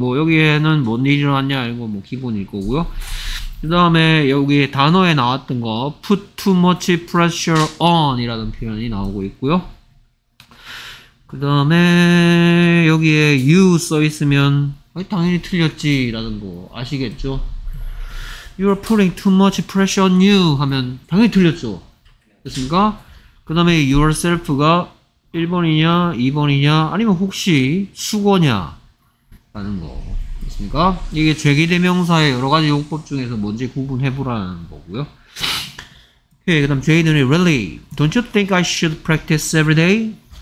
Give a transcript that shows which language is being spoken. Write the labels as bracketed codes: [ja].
[ko] 뭐 여기에는 뭔 일이 일어났냐 이런 거 뭐 기본일 거고요. 그 다음에 여기 단어에 나왔던 거 [en] put too much pressure on [ko] 이라는 표현이 나오고 있고요. 그 다음에 여기에 you 써 있으면 당연히 틀렸지 라는 거 아시겠죠? [en] You're putting too much pressure on you [ko] 하면 당연히 틀렸죠. 됐습니까? 그 다음에 yourself가 1번이냐 2번이냐 아니면 혹시 수거냐 라는 거 됐습니까? 이게 제기대명사의 여러가지 용법 중에서 뭔지 구분해보라는 거고요. 오케이, 그 다음 제이드는 [en] really don't you think I should practice every day?